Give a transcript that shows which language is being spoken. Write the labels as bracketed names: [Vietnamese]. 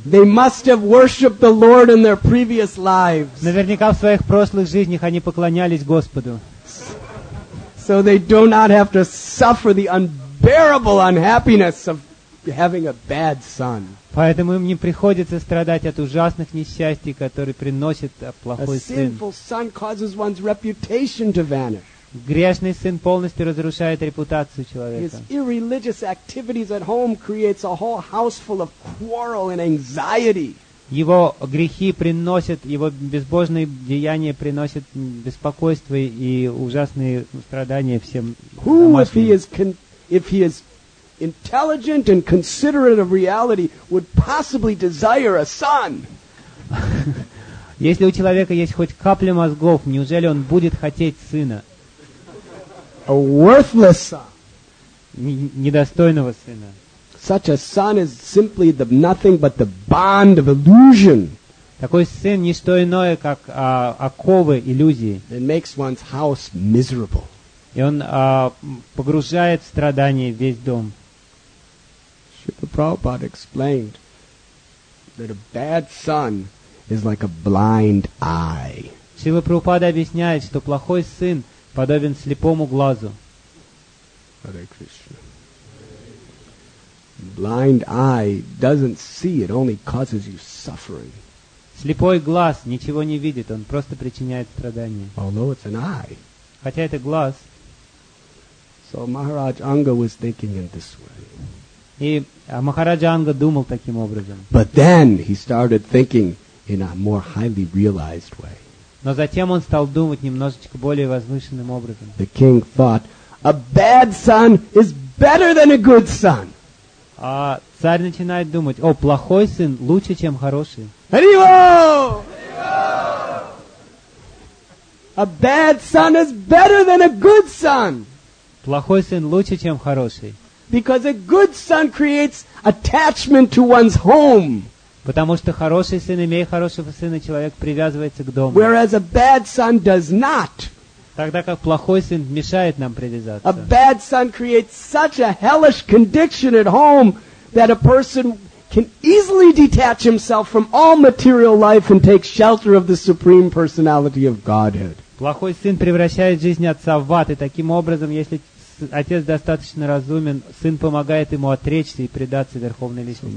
[English] They must have worshipped the Lord in their previous lives. [Russian] Наверняка в своих прошлых жизнях они поклонялись Господу. [English] So they do not have to suffer the unbearable unhappiness of having a bad son. [Russian] Поэтому им не приходится страдать от ужасных несчастий, которые приносит плохой сын. [English] A sinful son causes one's reputation to vanish. [Russian] Грешный сын полностью разрушает репутацию человека. [English] His irreligious activities at home creates a whole house full of quarrel and anxiety. [Russian] Его грехи приносят, его безбожные деяния приносят беспокойство и ужасные страдания всем домашним. [English] Intelligent and considerate of reality would possibly desire a son. [Russian] Если у человека есть хоть капля мозгов, неужели он будет хотеть сына? [English] A worthless son. [Russian] Недостойного сына. [English] Such a son is simply the nothing but the bond of illusion. [Russian] Такой сын не что иное, как оковы иллюзии. [English] It makes one's house miserable. [Russian] И он погружает в страдания весь дом. [English] Srila Prabhupada explained that a bad son is like a blind eye. [Russian] Srila Prabhupada объясняет, что плохой сын подобен слепому глазу. [English] Hare Krishna. Blind eye doesn't see, it only causes you suffering. [Russian] Слепой глаз ничего не видит, он просто причиняет страдания. [English] Although it's an eye. [Russian] Хотя это глаз. [English] So Maharaj Anga was thinking in this way. [Russian] И Махараджа Анга думал таким образом. [English] But then he started thinking in a more highly realized way. [Russian] Но затем он стал думать немножечко более возвышенным образом. [English] The king thought, a bad son is better than a good son. [Russian] А царь начинает думать, о, плохой сын лучше, чем хороший. [Italian] Arrivo! [English] A bad son is better than a good son. [Russian] Плохой сын лучше, чем хороший. [English] Because a good son creates attachment to one's home. [Russian] Потому что хороший сын, имея хорошего сына, человек привязывается к дому. [English] Whereas a bad son does not. [Russian] Тогда как плохой сын мешает нам привязаться. [English] A bad son creates such a hellish condition at home that a person can easily detach himself from all material life and take shelter of the Supreme Personality of Godhead. [Russian] Плохой сын превращает жизнь отца в ад, и таким образом, если отец достаточно разумен, сын помогает ему отречься и предаться Верховной Личности.